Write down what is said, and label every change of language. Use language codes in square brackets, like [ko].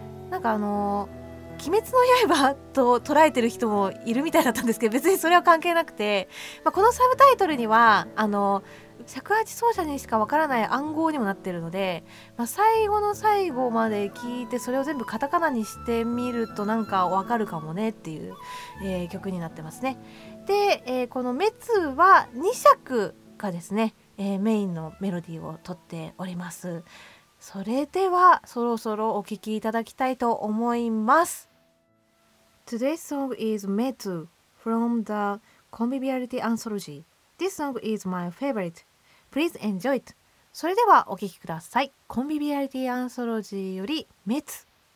[ja] なんか鬼滅の刃と捉えてる人もいるみたいだったんですけど、別にそれは関係なくて、まあ、このサブタイトルには尺八奏者にしかわからない暗号にもなってるので、まあ、最後の最後まで聞いてそれを全部カタカナにしてみるとなんかわかるかもねっていう、曲になってますね。で、この滅は2尺がですね、メインのメロディーをとっております。それではそろそろお聴きいただきたいと思います。 [en] Today's song is Metsu from the Conviviality Anthology. This song is my favorite. Please enjoy it. [ja] それではお聴きください。Conviviality Anthology より Metsu。